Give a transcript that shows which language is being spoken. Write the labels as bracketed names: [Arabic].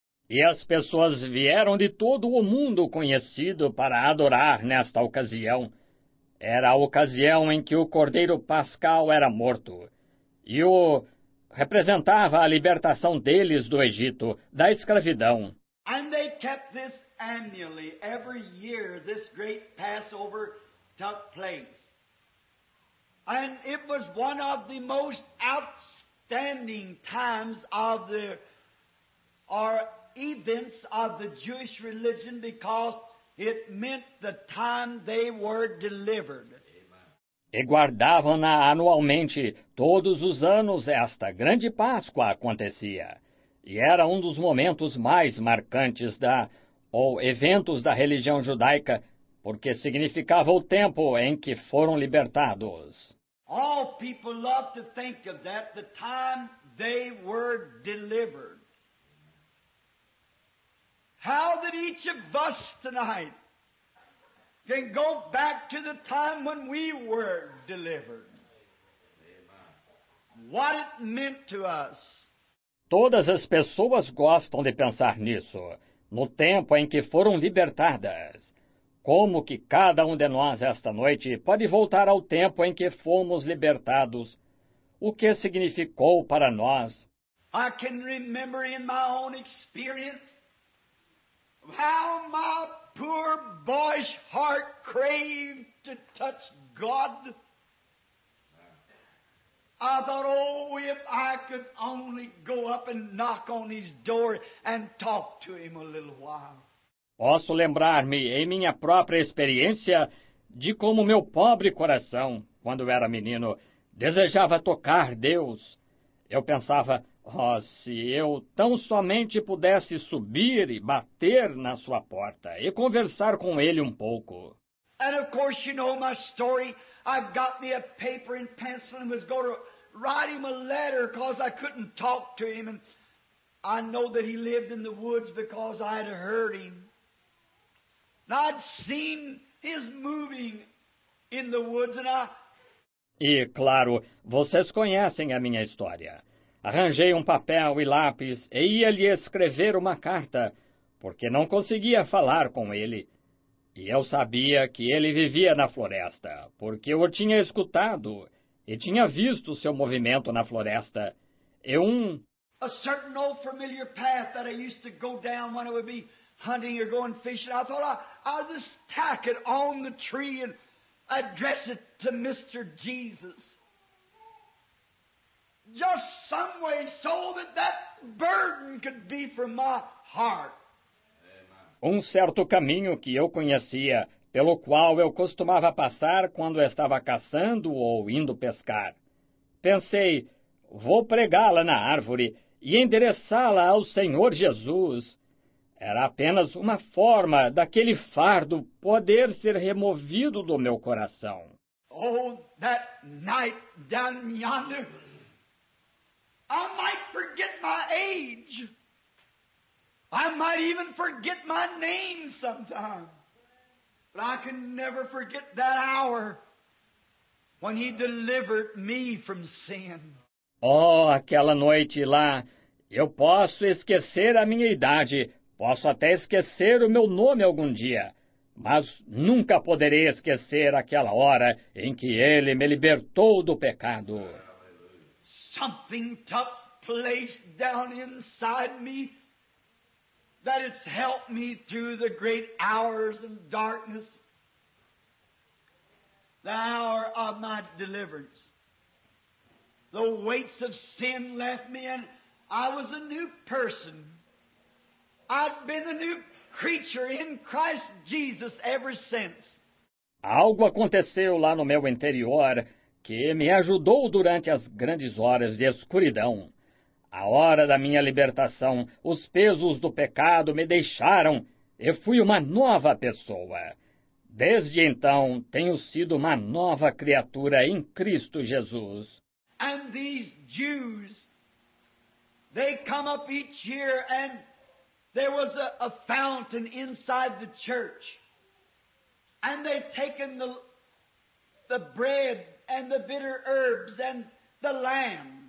[Portuguese] E as pessoas vieram de todo o mundo conhecido para adorar nesta ocasião. Era a ocasião em que o Cordeiro Pascal era morto. E o representava a libertação deles do Egito, da escravidão. [English] And they kept this annually. Every year this great Passover took place. And it was one of the most outstanding times of the or events of the Jewish religion because it meant the time they were delivered. [Portuguese] E guardavam-na anualmente, todos os anos esta grande Páscoa acontecia. E era um dos momentos mais marcantes da, ou eventos da religião judaica, porque significava o tempo em que foram libertados. [English] All people love to think of that, the time they were delivered. How did each of us tonight Then go back to the time when we were delivered. What it meant to us. [Portuguese] Todas as pessoas gostam de pensar nisso, no tempo em que foram libertadas. Como que cada um de nós esta noite pode voltar ao tempo em que fomos libertados? O que significou para nós? [English] I can remember in my own experience how my poor boy's heart craved to touch God. I thought, oh, if I could only go up and knock on his door and talk to him a little while. [Portuguese] Posso lembrar-me, em minha própria experiência, de como meu pobre coração, quando era menino, desejava tocar Deus. Eu pensava, oh, se eu tão somente pudesse subir e bater na sua porta e conversar com ele um pouco. [English] And of course you know my story. I got me a paper and pencil and was going to write him a letter because I couldn't talk to him. And I know that he lived in the woods because I had heard him. I'd seen his moving in the woods and I... [Portuguese] E, claro, vocês conhecem a minha história. Arranjei um papel e lápis e ia lhe escrever uma carta, porque não conseguia falar com ele. E eu sabia que ele vivia na floresta, porque eu o tinha escutado e tinha visto seu movimento na floresta. E um... [English] A certain old familiar path that I used to go down when it would be... hunting or going fishing, I thought I'll just tack it on the tree and address it to Mr. Jesus. Just some way so that that burden could be from my heart. [Portuguese] Um certo caminho que eu conhecia, pelo qual eu costumava passar quando estava caçando ou indo pescar. Pensei, vou pregá-la na árvore e endereçá-la ao Senhor Jesus. Era apenas uma forma daquele fardo poder ser removido do meu coração. [English] Oh, that night down yonder, I might forget my age. I might even forget my name sometime. But I can never forget that hour when he delivered me from sin. [Portuguese] Oh, aquela noite lá, eu posso esquecer a minha idade. Posso até esquecer o meu nome algum dia, mas nunca poderei esquecer aquela hora em que ele me libertou do pecado. [English] Something took place down inside me that it's helped me through the great hours of darkness, the hour of my deliverance. The weights of sin left me and I was a new person. I've been a new creature in Christ Jesus ever since. [Portuguese] Algo aconteceu lá no meu interior que me ajudou durante as grandes horas de escuridão. A hora da minha libertação, os pesos do pecado me deixaram e fui uma nova pessoa. Desde então, tenho sido uma nova criatura em Cristo Jesus. [English] And these Jews, they come up each year and... there was a fountain inside the church. And they've taken the bread and the bitter herbs and the lamb.